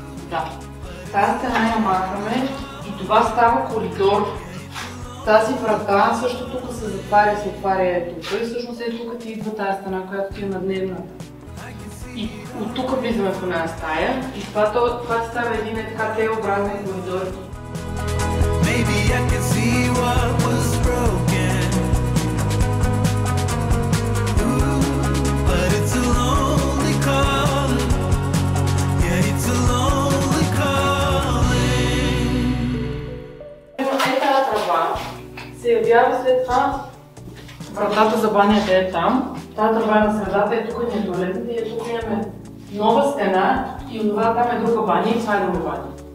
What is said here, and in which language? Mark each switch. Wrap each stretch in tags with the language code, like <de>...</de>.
<bg>Да. Тази стена я махаме и това става коридор. Тази врата също тук се затваря, се отваря е тук. И всъщност е тук ти идва тази стена, която ти е на дневната. И от тук влизаме в една стая и това ти става един е така теобразен коридор.</bg> <en>Maybe I could see what was broken. Ooh, but it's a lonely call. Yeah, it's a lonely calling.</en> <bg>Тази тръба се явява след това. Вратата за банята е там. Тази тръба на средата е тук и не е туалетът. И тук имаме нова стена. И от това там е друга баня и това е друга баня.</bg>